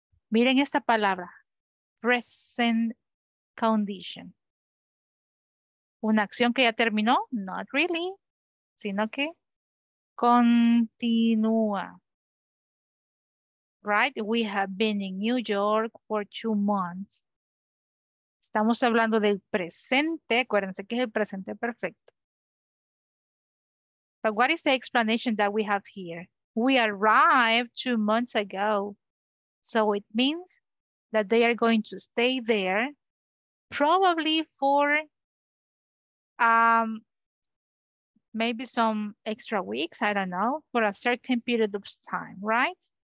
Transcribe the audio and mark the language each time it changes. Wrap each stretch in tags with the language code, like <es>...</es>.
<es>Miren esta palabra, present condition. ¿Una acción que ya terminó?</es> <en>Not really,</en> <es>sino que continúa. Right?</es> <en>We have been in New York for 2 months.</en> <es>Estamos hablando del presente, acuérdense que es el presente perfecto.</es> <en>But what is the explanation that we have here? We arrived 2 months ago. So it means that they are going to stay there probably for maybe some extra weeks, I don't know, for a certain period of time, right?</en>